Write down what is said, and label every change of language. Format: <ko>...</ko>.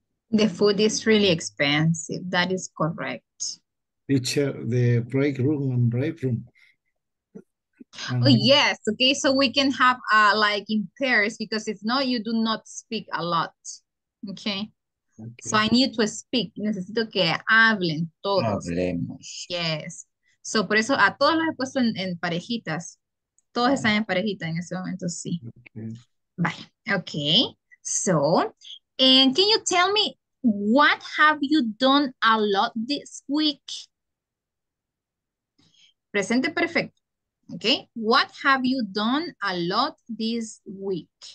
<en>The food is really expensive. That is correct. The break room and break room. Oh, yes, okay, so we can have like in pairs, because if not, you do not speak a lot, okay? So I need to speak,</en> <es>necesito que hablen todos. Hablemos.</es> <en>Yes, so</en> <es>por eso a todos los he puesto en parejitas, todos están en parejita en ese momento, sí.</es> <en>Okay. Bye. Okay, so, and can you tell me what have you done a lot this week? Presente perfecto. Okay, what have you done a lot this week?</en>